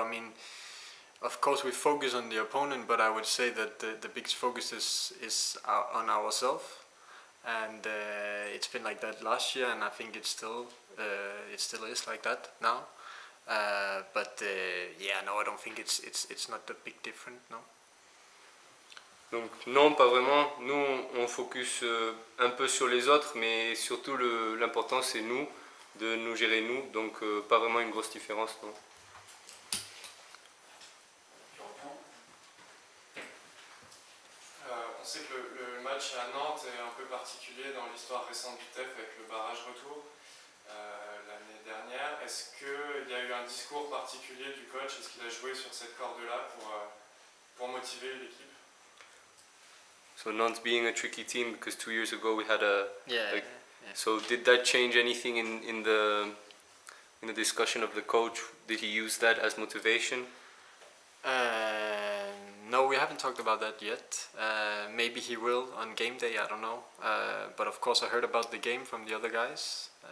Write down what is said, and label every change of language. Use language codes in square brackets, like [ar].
[en] I mean, of course we focus on the opponent, but I would say that the biggest focus is on ourselves. And it's been like that last year, and I think it still is like that now. I don't think it's not that big different, no. [fr] Donc non, pas vraiment. Nous, on focus un peu sur les autres, mais surtout l'important c'est nous, de nous gérer nous. Donc pas vraiment une grosse différence, non. On sait que le match à Nantes est un peu particulier dans l'histoire récente du TEF avec le barrage retour. L'année dernière, est-ce qu'il y a eu un discours particulier du coach? Est-ce qu'il a joué sur cette corde-là pour motiver l'équipe? [en] So Nantes being a tricky team because 2 years ago we had a. So did that change anything in the discussion of the coach? Did he use that as motivation? No, we haven't talked about that yet. Maybe he will on game day, I don't know. But of course I heard about the game from the other guys.